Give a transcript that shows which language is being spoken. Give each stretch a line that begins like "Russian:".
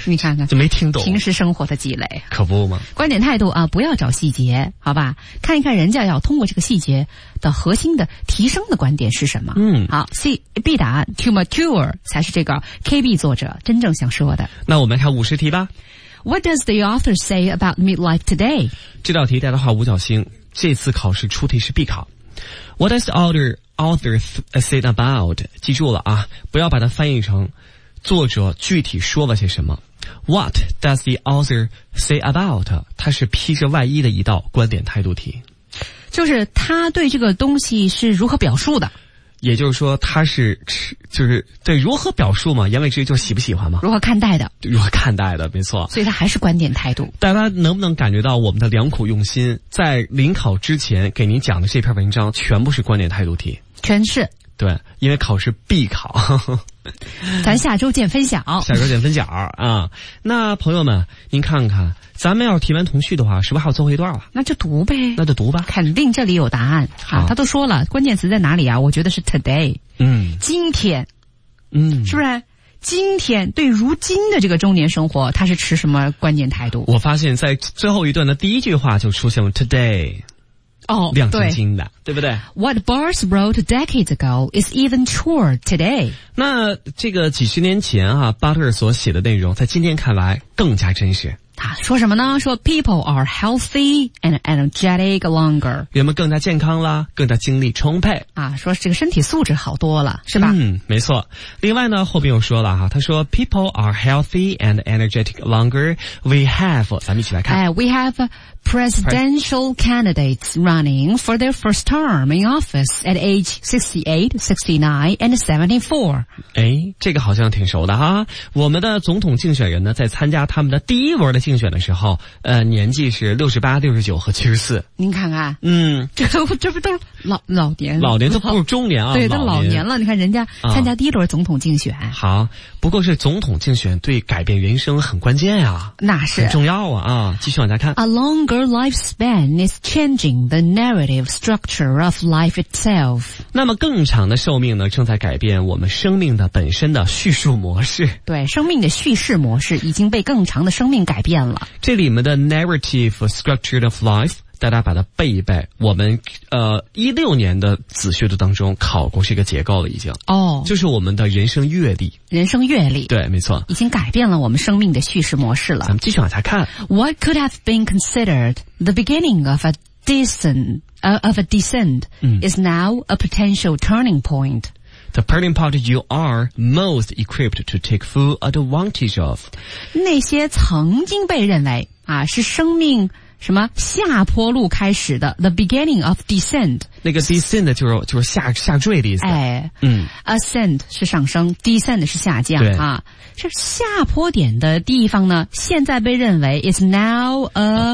Chinese: 你看看，就没听懂平时生活的积累。可不吗？观点态度啊，不要找细节，好吧，看一看人家要通过这个细节的核心的提升的观点是什么。好， C B 答案
English: To mature
Chinese: 才是这个 KB 作者真正想说的。那我们来看五十题吧。
English: What does the author say about midlife today?
Chinese: 这道题带的话五角星，这次考试出题是必考。
English: What does the author say about?
Chinese: 记住了啊，不要把它翻译成作者具体说了些什么。
English: What does the author say about?
Chinese: 它是披着外衣的一道观点态度题。就是他对这个东西是如何表述的。也就是说他是就是对如何表述嘛，言外之意就喜不喜欢嘛，如何看待的，如何看待的，没错。所以他还是观点态度。大家能不能感觉到我们的良苦用心，在临考之前给您讲的这篇文章全部是观点态度题？全是。对，因为考试必考。咱下周见分享。下周见分享啊。那朋友们您看看，咱们要提完同序的话，是不是还有最后一段了？那就读呗。那就读吧。肯定这里有答案。好，他都说了，关键词在哪里啊？我觉得是 today。今天。是不是今天对如今的这个中年生活他是持什么观念态度？我发现在最后一段的第一句话就出现了 today。亮晶晶的， 对不对？
English: What Barth wrote decades ago is even truer today.
Chinese: 那这个几十年前啊，巴特尔所写的内容在今天看来更加真实。他说什么呢？
English: 说 people are healthy and energetic longer.
Chinese: 人们更加健康了，更加精力充沛。啊，说这个身体素质好多了，是吧？没错。另外呢，后面又说了哈，他说
English: people are healthy and energetic longer. We have,
Chinese: 咱们一起来看。
English: We have presidential candidates running for their first term in office at age 68, 69, and 74.
Chinese: 这个好像挺熟的哈。我们的总统竞选人呢，在参加他们的第一轮的竞选的时候，年纪是68, 69, and 74。您看看，这不都是老年？老年都不是中年啊，对，都老年了。你看人家参加第一轮总统竞选，好，不过是总统竞选对改变人生很关键呀、那是很重要啊啊！继续往下看。
English: A longer lifespan is changing the narrative structure of life itself。
Chinese: 那么更长的寿命呢，正在改变我们生命的本身的叙述模式。对，生命的叙事模式已经被更长的生命改变了。这里面的
English: narrative structure of life，
Chinese: 大家把它背一背。我们16年的子学的当中考过这个结构了，已经。就是我们的人生阅历。人生阅历。对，没错。已经改变了我们生命的叙事模式了。咱们继续往下看。
English: What could have been considered the beginning of a descent is now a potential turning point. The turning point you are most equipped to take full advantage of.
Chinese: 那些曾经被认为是生命什么下坡路开始的
English: The beginning of descent，
Chinese: 那个 descent 就是下坠的意思。哎，嗯， ascent 是上升， descent 是下降啊。这下坡点的地方呢，现在被认为
English: is now a